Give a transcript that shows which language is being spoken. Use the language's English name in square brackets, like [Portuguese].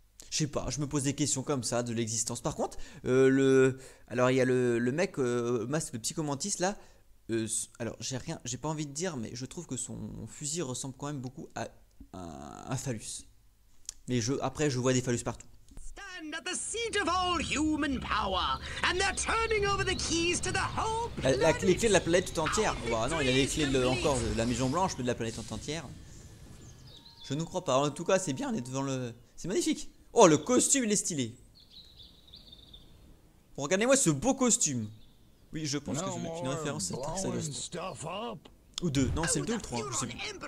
[French] Je sais pas, je me pose des questions comme ça de l'existence. Par contre, alors il y a le mec masque de psychomantis là. Alors j'ai rien, j'ai pas envie de dire, mais je trouve que son fusil ressemble quand même beaucoup à un phallus. Mais je vois des phallus partout. [English] Stand at the seat of all human power, and they're turning over the keys to the whole planet. [French] Les clés de la planète tout entière. Oh, bah, non, il y a les clés de la Maison Blanche, mais de la planète tout entière. Je ne crois pas. En tout cas, c'est bien, on est devant le, c'est magnifique. Oh, le costume, il est stylé. Bon, regardez-moi ce beau costume. Oui, je pense que je vais mettre une référence à Dark Siders 3. Ou 2. Non, c'est le 2 ou 3. Je sais plus.